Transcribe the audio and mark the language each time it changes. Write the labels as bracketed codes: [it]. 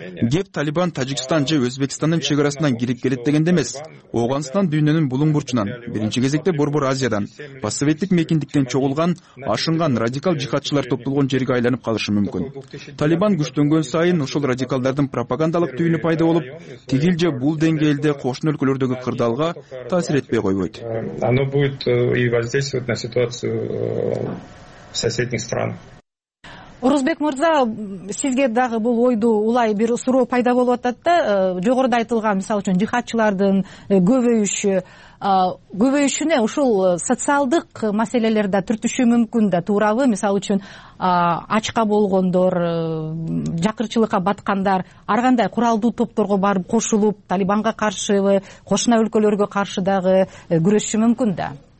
[ky] Кеп Талибан Тажикстан же Өзбекстандын чек арасынан кирип келет дегенде эмес, Ооганстан дүйнөнүн булуң бурчунан, биринчи кезекте борбор Азиядан, постсоветтик мекиндиктен чогулган, ашынган радикал жихатчылар топтолгон жерге айланып калышы мүмкүн. Талибан күчтөнгөн сайын ушул радикалдардын пропагандалык түйүнү пайда болуп, тигил же бул деңгээлде кошуна өлкөлөрдөгү кырдаалга таасир этпей койбойт. [ru] Оно будет и воздействовать на ситуацию соседних стран. [ky] Орозбек Мырза, сизге дагы бул ойду улай бир суроо пайда болуп атат да, жогоруда айтылган мисалы үчүн жихатчылардын көбөйүшүнө ушул социалдык маселелер да түртүшү мүмкүн да, туурабы? Мисалы үчүн ачка болгондор, жакырчылыкка баткандар ар кандай куралдуу топторго барып кошулуп, Талибанга каршыбы, кошуна өлкөлөргө каршы дагы күрөшүшү мүмкүн да.